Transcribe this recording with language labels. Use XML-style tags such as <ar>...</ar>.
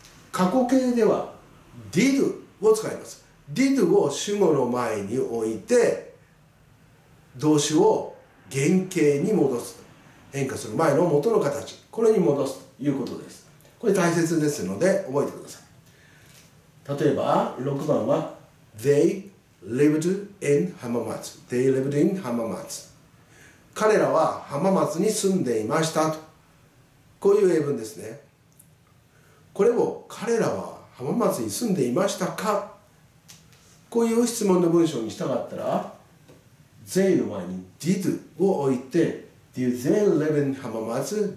<ja>過去形では did を使います。did を主語の前に置いて動詞を原形に戻す、変化する前の元の形、これに戻すということです。これ大切ですので覚えてください。例えば6番は</ja> <en>They lived in Hamamatsu. They lived in Hamamatsu.</en> <ja>彼らは浜松に住んでいましたと、こういう英文ですね。これを彼らは浜松に住んでいましたか、こういう質問の文章にしたかったら They の前に Did を置いて</ja> <en>Did they live in Hamamatsu?</en>